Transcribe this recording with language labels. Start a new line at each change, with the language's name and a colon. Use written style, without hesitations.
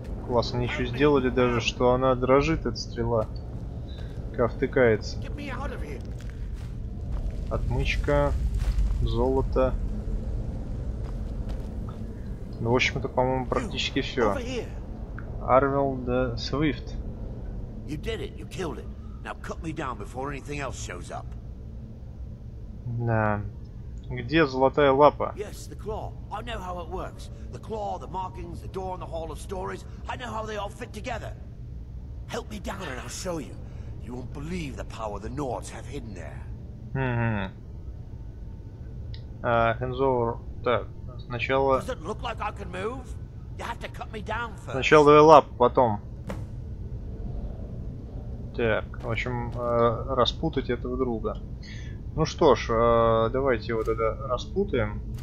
Russian: Класс, они еще сделали даже, что она дрожит, эта стрела, как втыкается. отмычка, золото. Ну, в общем, это, по-моему, практически все.
English: Арвел де Свифт. You did it. You killed it. Now cut me down before anything else shows up.
Russian: Да. Где золотая лапа?
English: Yes, the claw. I know how it works. The claw, the markings, the door in the hall of stories. I know how they all fit together. Help me down and I'll show you. You won't believe the power the Nords have hidden there.
Russian: Хензор, так, сначала.
English: Does it look like I can move? You have to cut me down first.
Russian: Сначала давай лапу, потом. Так, в общем, распутать этого друга. Ну что ж, давайте вот это распутаем.